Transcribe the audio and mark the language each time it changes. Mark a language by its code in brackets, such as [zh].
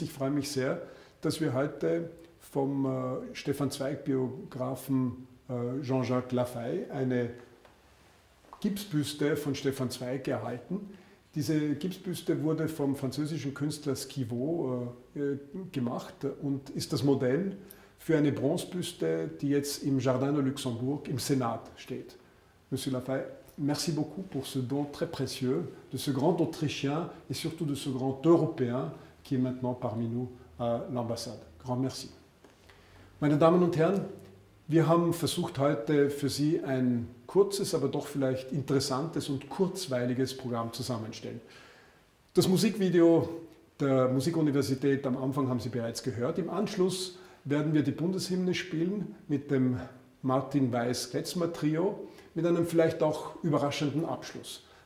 [de] Ich freue mich sehr, dass wir heute vom Stefan Zweig-Biografen Jean-Jacques Lafay eine Gipsbüste von Stefan Zweig erhalten. Diese Gipsbüste wurde vom französischen Künstler Schivot gemacht und ist das Modell für eine Bronzebüste, die jetzt im Jardin de Luxembourg im Senat steht. [fr] Monsieur Lafay, merci beaucoup pour ce don très précieux de ce grand Autrichien et surtout de ce grand Européen, qui est maintenant parmi nous à l'ambassade. Grand merci. [de] Meine Damen und Herren, wir haben versucht, heute für Sie ein kurzes, aber doch vielleicht interessantes und kurzweiliges Programm zusammenzustellen. Das Musikvideo der Musikuniversität am Anfang haben Sie bereits gehört. Im Anschluss werden wir die Bundeshymne spielen mit dem Martin Weiß-Kretzmer-Trio mit einem vielleicht auch überraschenden Abschluss.